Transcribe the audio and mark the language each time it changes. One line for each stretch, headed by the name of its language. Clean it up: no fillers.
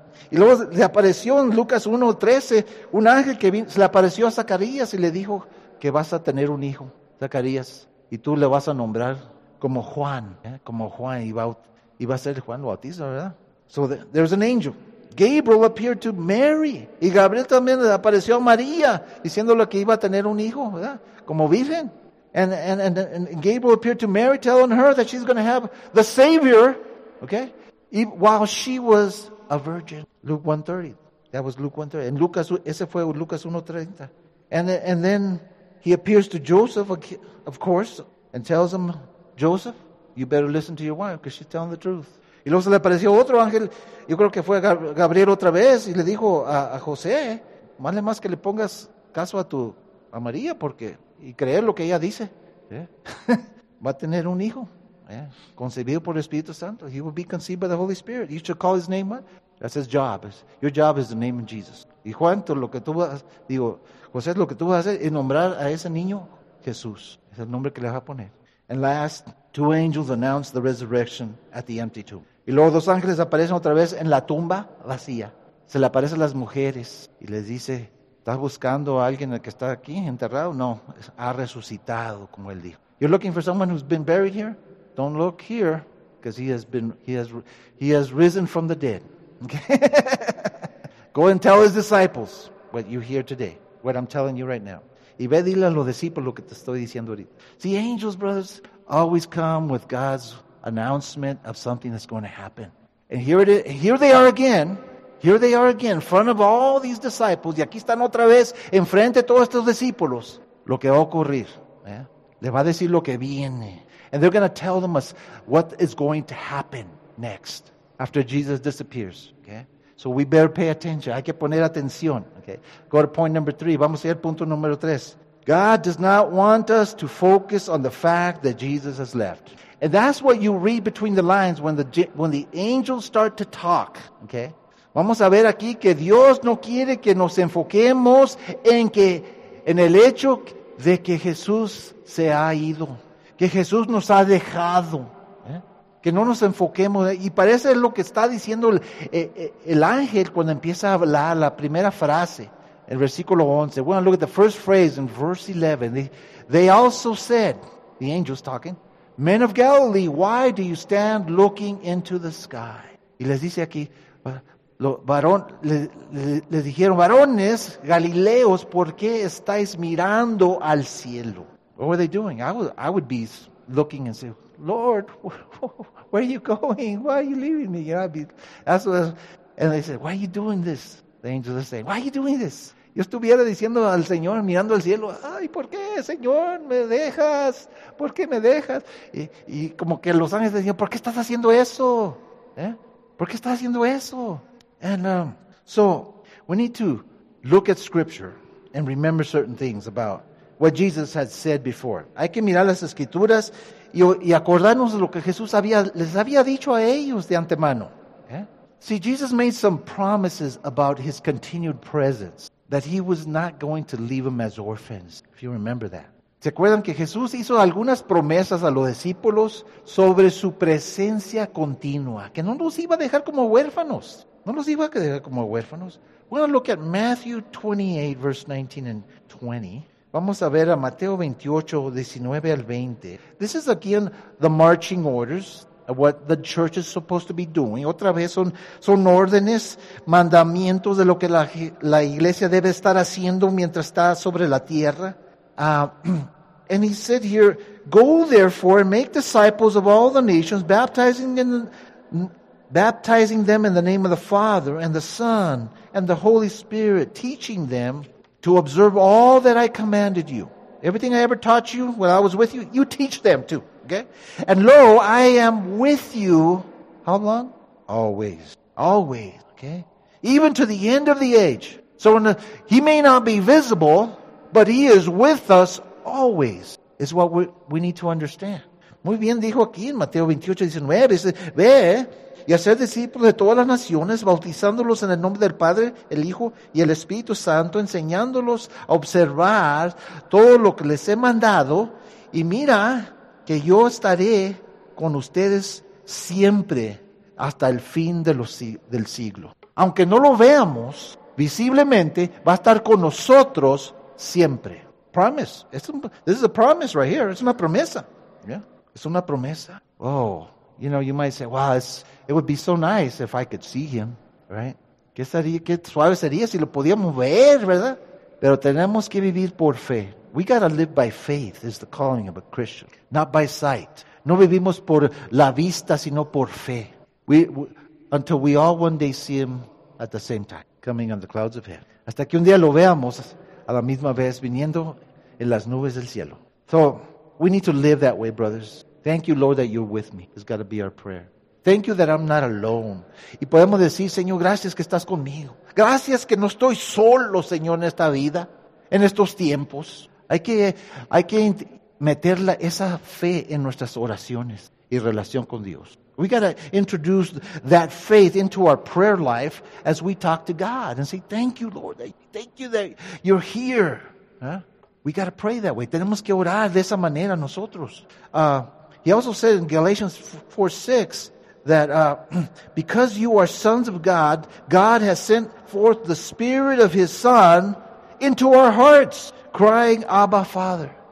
Spanish: Y luego le apareció en Lucas 1:13 un ángel que se le apareció a Zacarías y le dijo que vas a tener un hijo, Zacarías, y tú le vas a nombrar como Juan, ¿eh? Como Juan, iba a ser Juan Bautista, ¿verdad?
English: So there's an angel. Gabriel appeared to Mary.
Spanish: Y Gabriel también le apareció a María, diciéndole que iba a tener un hijo, ¿verdad? Como virgen.
English: And Gabriel appeared to Mary, telling her that she's going to have the Savior, okay? Y while she was a virgin. Luke 1:30. That was Luke 1:30.
Spanish: And Lucas, ese fue Lucas 1:30.
English: And then he appears to Joseph, of course, and tells him, Joseph, you better listen to your wife because she's telling the truth.
Spanish: Y luego se le apareció otro ángel, yo creo que fue Gabriel otra vez, y le dijo a José, vale más que le pongas caso a María porque, y creer lo que ella dice.
English: Yeah.
Spanish: Va a tener un hijo.
English: Yeah.
Spanish: Concebido por el Espíritu Santo.
English: He will be conceived by the Holy Spirit. You should call his name what? That's his job. Your job is the name of Jesus.
Spanish: Y Juan, lo que tú vas, digo, José, lo que tú vas a hacer es nombrar a ese niño Jesús. Es el nombre que le vas a poner.
English: And last, two angels announce the resurrection at the empty tomb.
Spanish: Y luego dos ángeles aparecen otra vez en la tumba vacía. Se le aparecen las mujeres y les dice, ¿estás buscando a alguien que está aquí enterrado? No, ha resucitado, como él dijo.
English: You're looking for someone who's been buried here? Don't look here, because he has risen from the dead. Go and tell his disciples what you hear today, what I'm telling you right now.
Spanish: Y ve, dile a los discípulos lo que te estoy diciendo ahorita.
English: See, angels, brothers, always come with God's announcement of something that's going to happen. And here it is. Here they are again. Here they are again, in front of all these disciples.
Spanish: Y aquí están otra vez, enfrente de todos estos discípulos. Lo que va a ocurrir.
English: ¿Eh?
Spanish: Le va a decir lo que viene.
English: And they're going to tell them what is going to happen next after Jesus disappears. Okay? So we better pay attention.
Spanish: Hay que poner atención.
English: Okay? Go to point number three.
Spanish: Vamos a ir al punto número tres.
English: God does not want us to focus on the fact that Jesus has left. And that's what you read between the lines when the angels start to talk. Okay?
Spanish: Vamos a ver aquí que Dios no quiere que nos enfoquemos en el hecho de que Jesús se ha ido. Que Jesús nos ha dejado. Que no nos enfoquemos. Y parece lo que está diciendo el ángel cuando empieza a hablar la primera frase. El versículo 11.
English: We're going to look at the first phrase in verse 11. They also said, the angels talking, men of Galilee, why do you stand looking into the sky? Y les dice aquí, les dijeron, varones, galileos, ¿por qué estáis mirando al cielo? What were they doing? I would be looking and say, Lord, where are you going? Why are you leaving me? You know, and they said, why are you doing this? The angels are saying, why are you doing this?
Spanish: Yo estuviera diciendo al Señor, mirando al cielo, ay, ¿por qué, Señor, me dejas? ¿Por qué me dejas? Y como que los ángeles decían, ¿por qué estás haciendo eso? ¿Eh? ¿Por qué estás haciendo eso?
English: And so we need to look at Scripture and remember certain things about what Jesus had said before.
Spanish: Hay que mirar las escrituras y acordarnos de lo que Jesús les había dicho a ellos de antemano.
English: Yeah? See, Jesus made some promises about his continued presence, that he was not going to leave them as orphans, if you remember that.
Spanish: ¿Se acuerdan que Jesús hizo algunas promesas a los discípulos sobre su presencia continua? Que no los iba a dejar como huérfanos. No los iba a dejar como huérfanos.
English: We're going to look at Matthew 28, verse 19 and 20.
Spanish: Vamos a ver a Mateo 28, 19 al 20.
English: This is again the marching orders of what the church is supposed to be doing.
Spanish: Otra vez son órdenes, mandamientos de lo que la iglesia debe estar haciendo mientras está sobre la tierra.
English: And he said here, go therefore and make disciples of all the nations, baptizing them in the name of the Father and the Son and the Holy Spirit, teaching them to observe all that I commanded you. Everything I ever taught you while I was with you, you teach them too. Okay? And lo, I am with you. How long? Always. Always. Okay? Even to the end of the age. So he may not be visible, but he is with us always, is what we need to understand.
Spanish: Muy bien dijo aquí en Mateo 28, 19, dice, ve y hacer discípulos de todas las naciones, bautizándolos en el nombre del Padre, el Hijo y el Espíritu Santo, enseñándolos a observar todo lo que les he mandado, y mira que yo estaré con ustedes siempre hasta el fin de del siglo. Aunque no lo veamos, visiblemente va a estar con nosotros siempre.
English: Promise. This is a promise right here. It's
Spanish: una promesa.
English: Yeah. It's
Spanish: una promesa.
English: Oh, you know, you might say, well, it would be so nice if I could see him, right?
Spanish: ¿Qué sería, qué suave sería si lo podíamos ver, verdad? Pero tenemos que vivir por fe.
English: We got to live by faith is the calling of a Christian. Not by sight.
Spanish: No vivimos por la vista, sino por fe.
English: Until we all one day see him at the same time, coming on the clouds of heaven.
Spanish: Hasta que un día lo veamos a la misma vez viniendo en las nubes del cielo.
English: So, we need to live that way, brothers. Thank you, Lord, that you're with me. It's got to be our prayer. Thank you that I'm not alone.
Spanish: Y podemos decir, Señor, gracias que estás conmigo. Gracias que no estoy solo, Señor, en esta vida, en estos tiempos. Hay que meter esa fe en nuestras oraciones y relación con Dios.
English: We got to introduce that faith into our prayer life as we talk to God and say, thank you, Lord. Thank you that you're here. Huh? We got to pray that way.
Spanish: Tenemos que orar de esa manera nosotros.
English: He also said in Galatians 4:6 that because you are sons of God, God has sent forth the Spirit of His Son into our hearts, crying, Abba, Father.